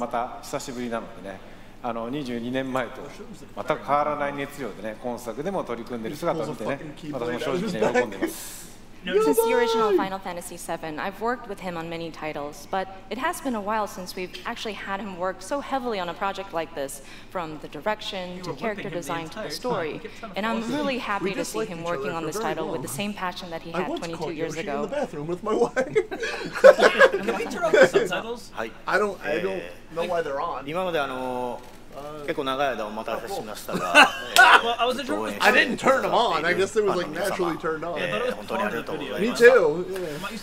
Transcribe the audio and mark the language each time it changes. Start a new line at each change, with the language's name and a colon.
Japanese: はい、彼とはですね、原作のFF7以降、まあ何作もね、一緒にね、その後も仕事はしてるんですけども、今作のね、2つにね、ディレクション、キャラクターというのをしてね、ストーリーとね、がっつり組むのはまた久しぶりなのでね、22年前と全く変わらない熱量でね、今作でも取り組んでる姿を見てね、私も正直ね、喜んでます。
English: Since the original Final Fantasy VII, I've worked with him on many titles, but it has been a while since we've actually had him work so heavily on a project like this, from the direction to character design to the story. And I'm really happy to see him working on this title with the same passion that he had 22 years ago. I once caught Yoshi in the bathroom with my wife. Can we turn off the subtitles? I don't know why they're on.
Japanese: 今まであの結構長い間お待たせしましたが
English: I didn't turn them on. I guess it was like naturally turned on.
Japanese: ありがとうございます。